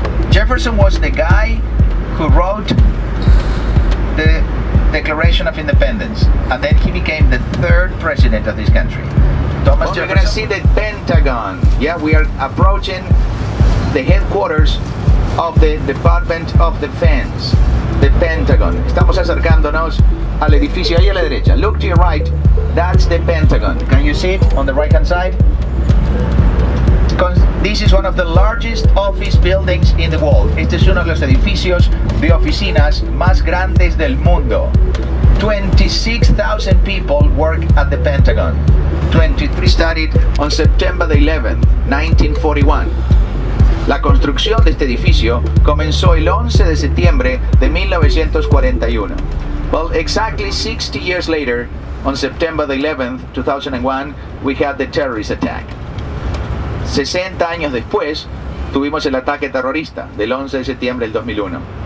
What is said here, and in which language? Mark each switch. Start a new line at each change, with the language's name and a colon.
English: Jefferson was the guy who wrote the Declaration of Independence, and then he became the third president of this country. Thomas Jefferson. We're gonna see the Pentagon. Yeah, we are approaching the headquarters of the Department of Defense. The Pentagon.
Spanish: Estamos acercándonos al edificio ahí a la derecha.
English: Look to your right. That's the Pentagon. Can you see it on the right-hand side? This is one of the largest office buildings in the world.
Spanish: Este es uno de los edificios de oficinas más grandes del mundo.
English: 26,000 people work at the Pentagon. 23 started on September the 11th, 1941.
Spanish: La construcción de este edificio comenzó el 11 de septiembre de 1941.
English: Well, exactly 60 years later, on September the 11th, 2001, we had the terrorist attack.
Spanish: 60 años después, tuvimos el ataque terrorista del 11 de septiembre del 2001.